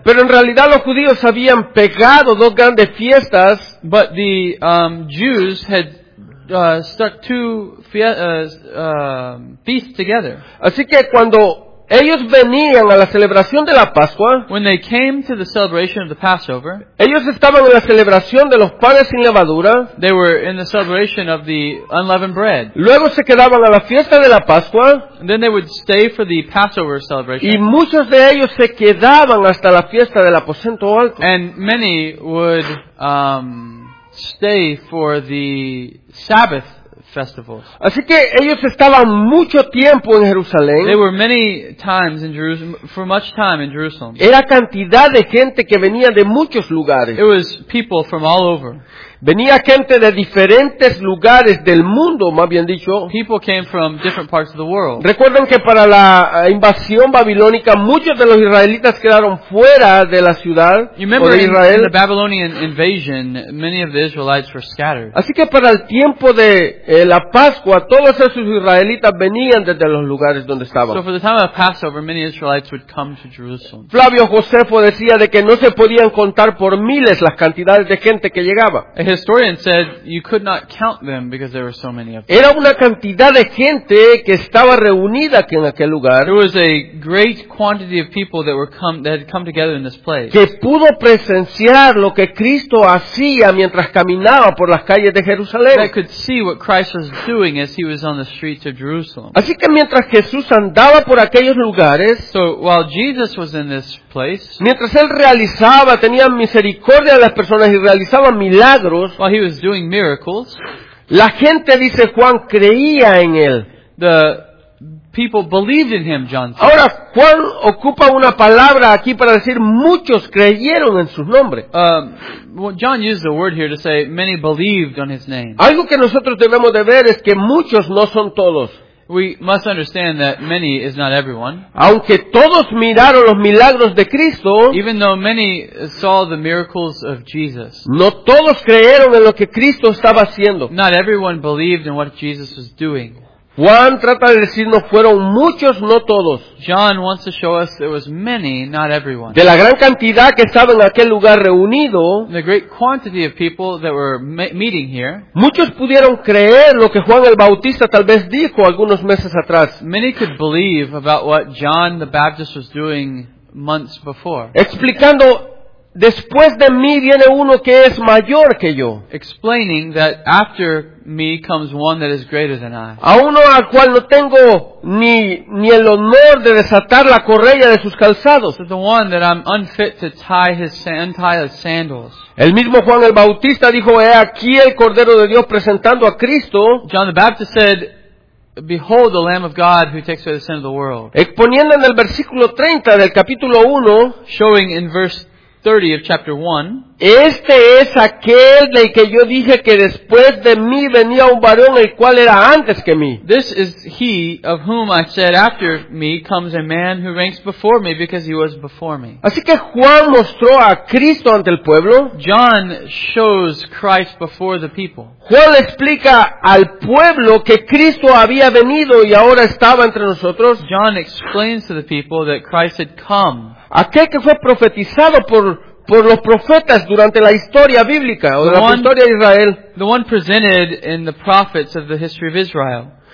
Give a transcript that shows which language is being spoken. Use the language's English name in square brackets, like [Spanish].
[Spanish] Pero en realidad los judíos habían pegado dos grandes fiestas, [English] but the Jews had stuck two feasts together. [Spanish] Así que cuando ellos venían a la celebración de la Pascua, [English] when they came to the celebration of the Passover, [Spanish] ellos estaban en la celebración de los panes sin levadura. [English] They were in the celebration of the unleavened bread. [Spanish] Luego se quedaban a la fiesta de la Pascua. [English] And then they would stay for the Passover celebration. [Spanish] Y muchos de ellos se quedaban hasta la fiesta del Aposento Alto. [English] And many would stay for the Sabbath. [Spanish] Así que ellos estaban mucho tiempo en Jerusalén. [English] They were many times in Jerusalem, for much time in Jerusalem. [Spanish] Era cantidad de gente que venía de muchos lugares. [English] It was people from all over. [Spanish] Venía gente de diferentes lugares del mundo, más bien dicho. [English] People came from different parts of the world. [Spanish] Recuerden que para la invasión babilónica, muchos de los israelitas quedaron fuera de la ciudad o de Israel. [English] You remember in the Babylonian invasion, many of the Israelites were scattered. [Spanish] Así que para el tiempo de la Pascua, todos esos israelitas venían desde los lugares donde estaban. [English] So for the time of Passover, many Israelites would come to Jerusalem. [Spanish] Flavio Josefo decía de que no se podían contar por miles las cantidades de gente que llegaba. [English] A historian said you could not count them because there were so many of them. [Spanish] Era una cantidad de gente que estaba reunida aquí en aquel lugar. [English] There was a great quantity of people that had come together in this place. [Spanish] Que pudo presenciar lo que Cristo hacía mientras caminaba por las calles de Jerusalén. [English] That could see what Christ was doing as he was on the streets of Jerusalem. [Spanish] Así que mientras Jesús andaba por aquellos lugares, [English] so while Jesus was in this place, [Spanish] mientras él realizaba, tenía misericordia de las personas y realizaba milagros. [English] While he was doing miracles, [Spanish] la gente, dice Juan, creía en él. [English] The people believed in him, John said. [Spanish] Ahora, Juan ocupa una palabra aquí para decir muchos creyeron en su nombre. [English] John used a word here to say many believed on his name. [Spanish] Algo que nosotros debemos de ver es que muchos no son todos. [English] We must understand that many is not everyone. [Spanish] Aunque todos miraron los milagros de Cristo, [English] even though many saw the miracles of Jesus, [Spanish] no todos creyeron en lo que Cristo estaba haciendo. [English] Not everyone believed in what Jesus was doing. [Spanish] Juan trata de decirnos fueron muchos, no todos. [English] John wants to show us there was many, not everyone. [Spanish] De la gran cantidad que estaba en aquel lugar reunido, [English] the great quantity of people that were meeting here, [Spanish] muchos pudieron creer lo que Juan el Bautista tal vez dijo algunos meses atrás. [English] Many could believe about what John the Baptist was doing months before. [Spanish] Explicando después de mí viene uno que es mayor que yo. [English] Explaining that after me comes one that is greater than I. [Spanish] A uno al cual no tengo ni el honor de desatar la correa de sus calzados. [English] The one that I'm unfit to untie his sandals. [Spanish] El mismo Juan el Bautista dijo, he aquí el Cordero de Dios presentando a Cristo. [English] John the Baptist said, behold the Lamb of God who takes away the sin of the world. [Spanish] Exponiendo en el versículo 30 del capítulo 1, [English] showing in verse 30 of chapter 1, [Spanish] este es aquel del que yo dije que después de mí venía un varón el cual era antes que mí. [English] This is he of whom I said after me comes a man who ranks before me because he was before me. [Spanish] Así que Juan mostró a Cristo ante el pueblo. [English] John shows Christ before the people. [Spanish] Juan explica al pueblo que Cristo había venido y ahora estaba entre nosotros. [English] John explains to the people that Christ had come. [Spanish] Aquel que fue profetizado por los profetas durante la historia bíblica o la historia de Israel. [English] The one presented in the prophets of the history of Israel.